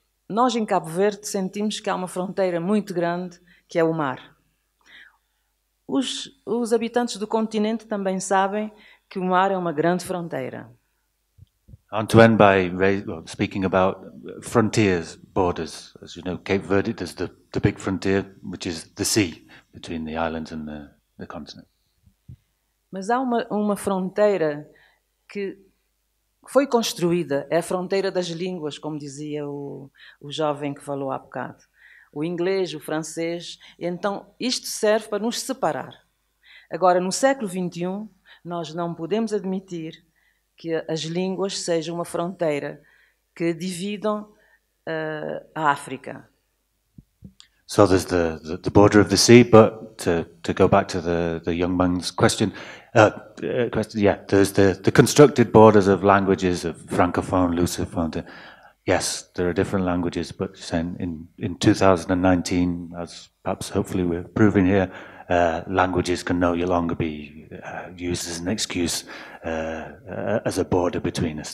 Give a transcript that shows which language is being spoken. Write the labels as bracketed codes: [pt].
[pt] Nós, em Cabo Verde, sentimos que há uma fronteira muito grande, que é o mar. Os habitantes do continente também sabem que o mar é uma grande fronteira. [en] I want to end by speaking about frontiers, borders. As you know, Cape Verde is the big frontier, which is the sea between the islands and the continent. [pt] Mas há uma fronteira que... Foi construída, é a fronteira das línguas, como dizia o jovem que falou há bocado. O inglês, o francês. Então, isto serve para nos separar. Agora, no século XXI, nós não podemos admitir que as línguas sejam uma fronteira que dividam a África. [en] So there's the border of the sea, but to go back to the young man's question, yeah, there's the constructed borders of languages of Francophone, Lusophone. Yes, there are different languages, but in 2019, as perhaps hopefully we're proving here, languages can no longer be used as an excuse as a border between us.